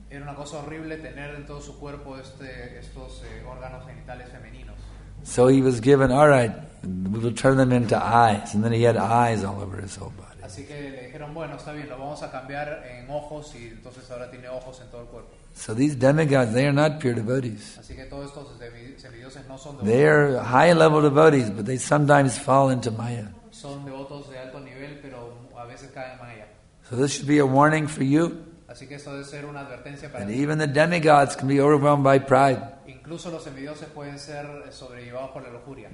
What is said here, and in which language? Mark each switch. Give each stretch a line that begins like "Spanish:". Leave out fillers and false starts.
Spanish: Era una cosa horrible tener en todo su cuerpo estos órganos genitales femeninos.
English: So he was given, all right, we will turn them into eyes, and then he had eyes all over his whole body.
Spanish: Así que le dijeron, bueno, está bien, lo vamos a cambiar en ojos, y entonces ahora tiene ojos en todo el cuerpo.
English: So these demigods, they are not pure devotees.
Spanish: Así que todos estos semidioses no son
English: devotees. They are high level devotees, but they sometimes fall into Maya.
Spanish: Son devotos de alto nivel, pero a veces caen en Maya.
English: So this should be a warning for you.
Spanish: Así que eso debe ser una advertencia para
English: And even the demigods can be overwhelmed by pride.
Spanish: Incluso los semidioses pueden ser sobrellevados por la lujuria.